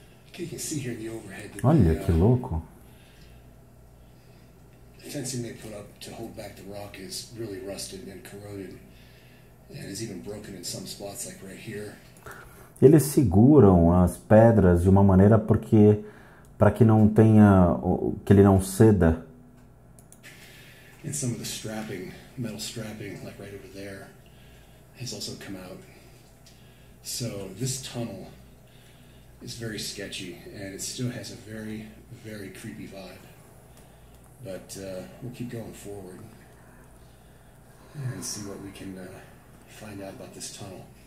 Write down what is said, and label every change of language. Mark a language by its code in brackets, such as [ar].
[en] Okay, you can see here in the overhead that [pt] Olha que louco. [en] Fencing they put up to hold back the rock is really rusted and corroded and is even broken in some spots, like right here. [pt] Eles seguram as pedras de uma maneira porque para que não tenha que ele não ceda. [en] And some of the strapping, metal strapping, like right over there, has also come out. So this tunnel is very sketchy and it still has a very, very creepy vibe. But we'll keep going forward and see what we can find out about this tunnel.